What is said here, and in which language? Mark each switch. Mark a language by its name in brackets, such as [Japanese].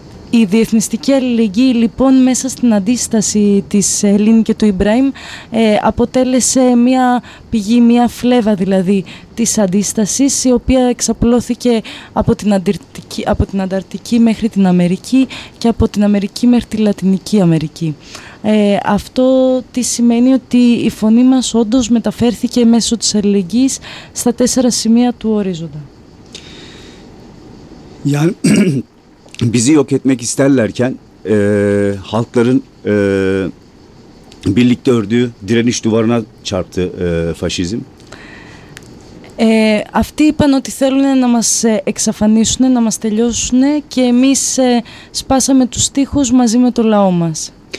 [Greek] Η Διεθνιστική Αλληλεγγύη λοιπόν μέσα στην αντίσταση της Ελλήνη και του Ιμπραήμ αποτέλεσε μια πηγή, μια φλέβα δηλαδή της αντίστασης, η οποία εξαπλώθηκε από την Ανταρκτική μέχρι την Αμερική και από την Αμερική μέχρι τη Λατινική Αμερική. Αυτό τι σημαίνει? Ότι η φωνή μας όντως μεταφέρθηκε μέσω της αλληλεγγύης στα τέσσερα σημεία του ορίζοντα. [Turkish] Yani, bizi yok etmek isterlerken halkların birlikte ördüğü direniş duvarına çarptı faşizm. [Greek] Αυτοί είπαν ότι θέλουν να μας εξαφανίσουν, να μας τελειώσουν και εμείς σπάσαμε τους στίχους μαζί με το λαό μας.